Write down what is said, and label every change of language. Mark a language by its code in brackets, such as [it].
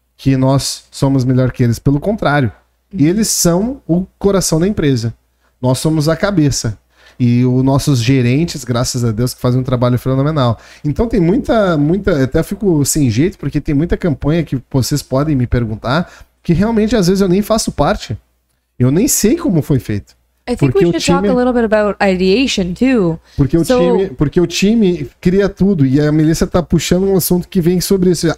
[pt] que nós somos melhor que eles. Pelo contrário, eles são o coração da empresa. Nós somos a cabeça. E os nossos gerentes, graças a Deus, que fazem um trabalho fenomenal. Então tem muita, muita, até eu fico sem jeito, porque tem muita campanha que vocês podem me perguntar, que realmente às vezes eu nem faço parte. Eu nem sei como foi feito. [en] I think we should talk a little bit about ideation too. [pt] Porque o time, porque o time cria tudo e a Melissa tá puxando um assunto que vem sobre isso.